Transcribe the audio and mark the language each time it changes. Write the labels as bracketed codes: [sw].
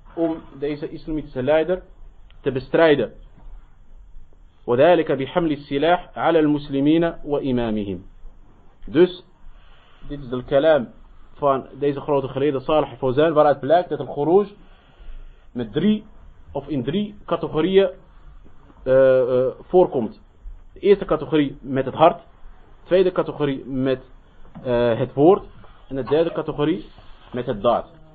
[nl] om deze islamitische leider te bestrijden. [ar] وذلك بحمل السلاح على المسلمين وإمامهم. [nl] Dus dit is de kalam van deze grote geleerde Salih Fawzan, waaruit blijkt dat al-Khuruj met drie of in drie categorieën voorkomt. De eerste categorie met het hart, de tweede categorie met het woord en de derde categorie met het daad.